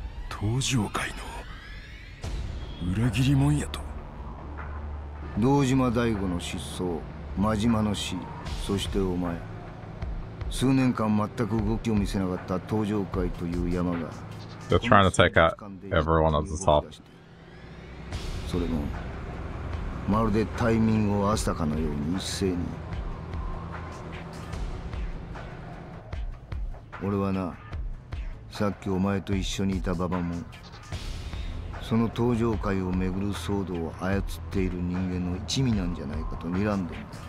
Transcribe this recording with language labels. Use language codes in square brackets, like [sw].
[ja] 登場会の裏切り者やと。堂島大吾の失踪、真島の死、そしてお前、数年間全く動きを見せなかった登場会という山が、 [en] They're trying to take out everyone at the top. [ja] それもまるでタイミングを合わせたかのように一斉に。俺はな、さっきお前と一緒にいた馬場もその登場会をめぐる騒動を操っている人間の一味なんじゃないかと睨んでる。